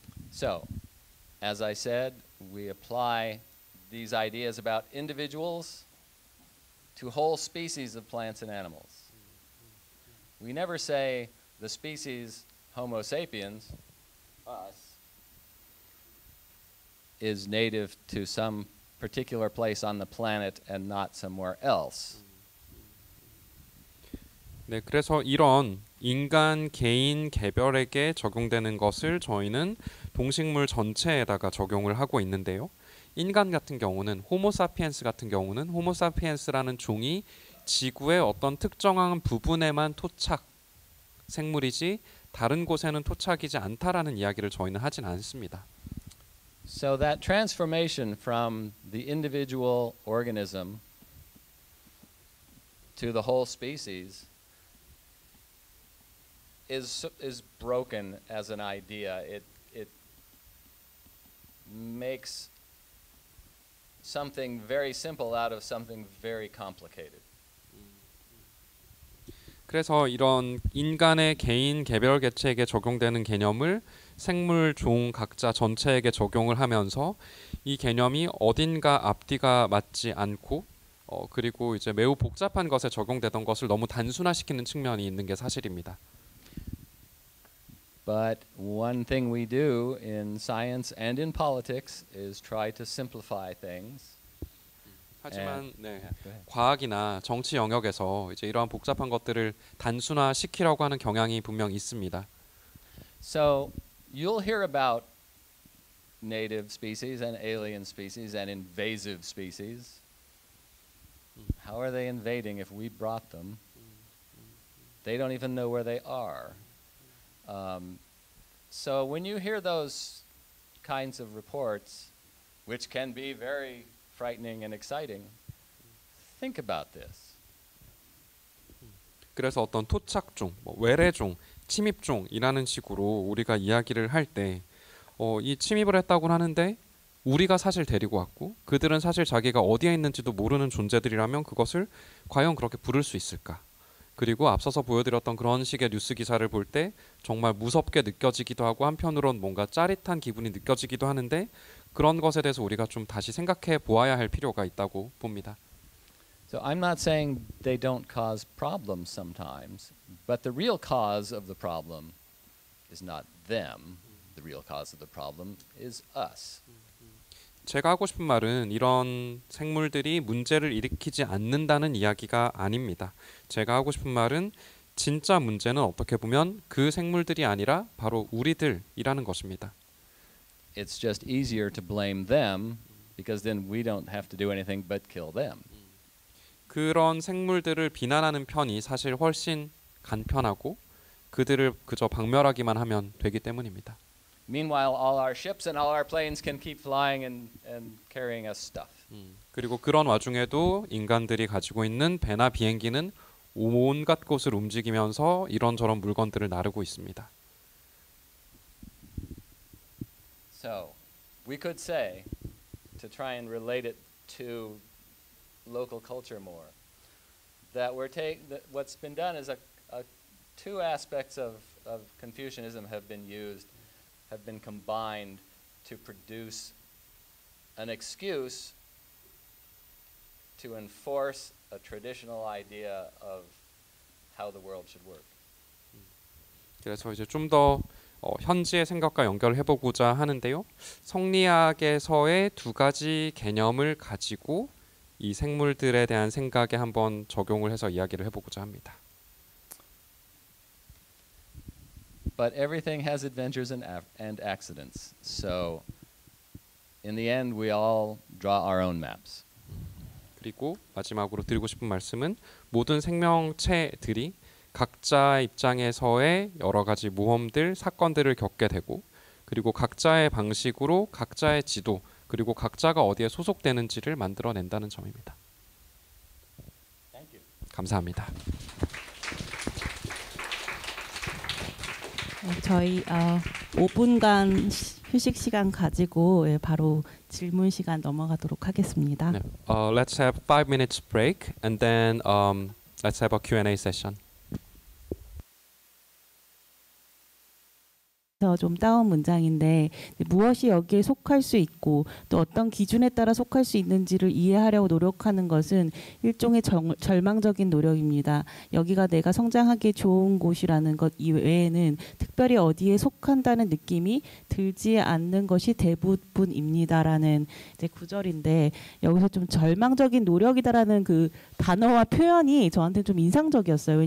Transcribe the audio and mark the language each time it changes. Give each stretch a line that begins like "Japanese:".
English: So, as I said, we apply these ideas about individuals to whole species of plants and animals. We never say the species Homo sapiens, us, is native to some particular place on the planet and not somewhere else.
Korean: 네, 그래서 이런 인간 개인 개별에게 적용되는 것을 저희는 동식물 전체에다가 적용을 하고 있는데요. 인간 같은 경우는 호모 사피엔스 같은 경우는 호모 사피엔스라는 종이 지구의 어떤 특정한 부분에만 토착 생물이지 다른 곳에는 토착이지 않다라는 이야기를 저희는 하진 않습니다.
English: So that transformation from the individual organism to the whole species is broken as an idea. It makes something very simple out of something very complicated.
Korean: 그래서 이런 인간의 개인 개별 개체에게 적용되는 개념을 생물 종 각자 전체에게 적용을 하면서 이 개념이 어딘가 앞뒤가 맞지 않고 그리고 이제 매우 복잡한 것에 적용되던 것을 너무 단순화시키는 측면이 있는 게 사실입니다.
English: But one thing we do in science and in politics is try to simplify things.
Korean: 하지만 네, 과학이나 정치 영역에서 이제 이러한 복잡한 것들을 단순화시키려고 하는 경향이 분명 있습니다.
English: So you'll hear about native species and alien species and invasive species. How are they invading if we brought them? They don't even know where they are. So when you hear those kinds of reports, which can be very frightening and exciting, think about this.
Korean: 그래서 어떤 토착종, 뭐 외래종, 침입종이라는 식으로 우리가 이야기를 할 때, 이 침입을 했다고 하는데 우리가 사실 데리고 왔고 그들은 사실 자기가 어디에 있는지도 모르는 존재들이라면 그것을 과연 그렇게 부를 수 있을까? 그리고 앞서서 보여드렸던 그런 식의 뉴스 기사를 볼 때 정말 무섭게 느껴지기도 하고 한편으론 뭔가 짜릿한 기분이 느껴지기도 하는데 그런 것에 대해서 우리가 좀 다시 생각해 보아야 할 필요가 있다고 봅니다.
English: So I'm not saying they don't cause problems sometimes, but the real cause of the problem is not them. The real cause of the problem is us.
Korean: 제가 하고 싶은 말은 이런 생물들이 문제를 일으키지 않는다는 이야기가 아닙니다. 제가 하고 싶은 말은 진짜 문제는 어떻게 보면 그 생물들이 아니라 바로 우리들이라는 것입니다.
English: It's just easier to blame them because then we don't have to do anything but kill them.
Korean: 그런 생물들을 비난하는 편이 사실 훨씬 간편하고 그들을 그저 박멸하기만 하면 되기 때문입니다.
English: Meanwhile, all our ships and all our planes can keep flying and carrying us stuff.
Korean: 그리고 그런 와중에도 인간들이 가지고 있는 배나 비행기는 온갖 곳을 움직이면서 이런저런 물건들을 나르고 있습니다.
English: So, we could say, to try and relate it to local culture more, that we're taking what's been done is two aspects of Confucianism have been used. Have been combined to produce an excuse to enforce a traditional idea of how the world should work.
Korean: 그래서 이제 좀 더 현지의 생각과 연결을 해보고자 하는데요. 성리학에서의 두 가지 개념을 가지고 이 생물들에 대한 생각에 한번 적용을 해서 이야기를 해보고자 합니다.
English: But everything has adventures and accidents. So in the end we all draw our own maps.
Korean: 그리고 마지막으로 드리고 싶은 말씀은 모든 생명체들이 각자의 입장에서의 여러 가지 모험들, 사건들을 겪게 되고 그리고 각자의 방식으로 각자의 지도 그리고 각자가 어디에 소속되는지를 만들어 낸다는 점입니다.
English: Thank you.
Korean: 감사합니다. 저희 5분간 휴식 시간 가지고 바로 질문 시간 넘어가도록 하겠습니다.
English: Let's have 5 minutes break and then let's have a Q&A session.
Korean: 좀 따온 문장인데 무엇이 여기에 속할 수 있고 또 어떤 기준에 따라 속할 수 있는지를 이해하려고 노력하는 것은 일종의 절망적인 노력입니다. 여기가 내가 성장하기에 좋은 곳이라는 것 이외에는 특별히 어디에 속한다는 느낌이 들지 않는 것이 대부분입니다라는 이제 구절인데 여기서 좀 절망적인 노력이다라는 그 단어와 표현이 저한테는 좀 인상적이었어요.